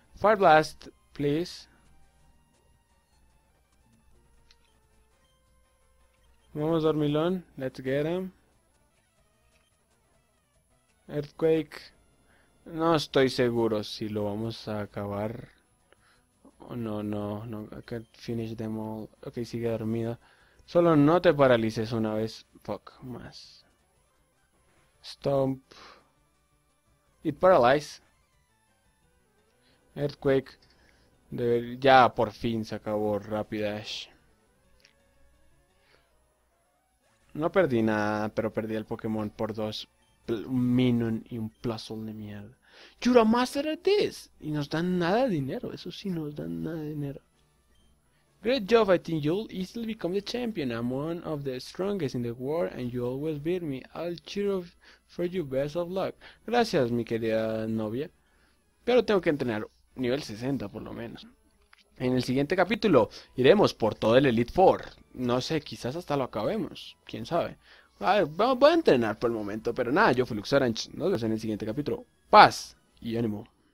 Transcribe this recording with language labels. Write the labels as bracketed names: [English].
[English] Fire Blast, please. [Spanish] Vamos, [English] Dormilón. Let's get him. Earthquake. [Spanish] No estoy seguro si lo vamos a acabar. [English] No, I can't finish them all. [Spanish] Ok, sigue dormido. Solo no te paralices una vez. [English] Fuck, [Spanish] más. [English] Stomp. It paralyzed. Earthquake. [Spanish] Ya, por fin se acabó. Rapidash. No perdí nada, pero perdí el Pokémon por dos. Un Minun y un Plusle de mierda. ¡Yura Master it is! Y nos dan nada de dinero, eso sí, nos dan nada de dinero. [English] Great job, I think you'll easily become the champion. I'm one of the strongest in the world and you always beat me. I'll cheer for you, best of luck. [Spanish] Gracias, mi querida novia. Pero tengo que entrenar nivel 60, por lo menos. En el siguiente capítulo, iremos por todo el Elite Four. No sé, quizás hasta lo acabemos, quién sabe. A ver, voy a entrenar por el momento, pero nada, yo fui Luxorange. Nos vemos en el siguiente capítulo. Paz y ánimo.